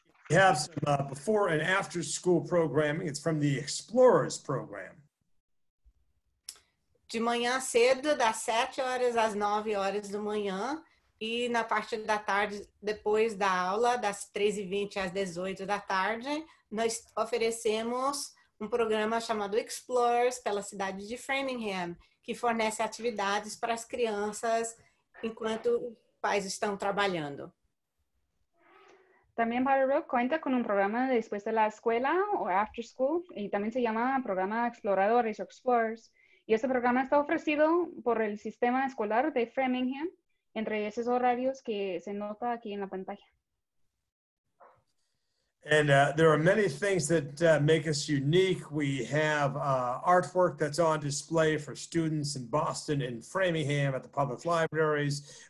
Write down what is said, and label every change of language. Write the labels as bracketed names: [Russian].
[English] We have some before and after school programming. It's from the Explorers program. [Portuguese] De manhã cedo, das 7 horas às 9 horas da manhã, e na parte da tarde, depois da aula, das 13h20 às 18 da tarde, nós oferecemos um programa chamado Explorers pela cidade de Framingham, que fornece atividades para as crianças enquanto os pais estão trabalhando. [Spanish] También Potter Road cuenta con un programa después de la escuela o after school, y también se llama programa Exploradores o Explorers. Y este programa está ofrecido por el sistema escolar de Framingham, entre esos horarios que se nota aquí en la pantalla. [English] And there are many things that make us unique. We have artwork that's on display for students in Boston and Framingham at the public libraries.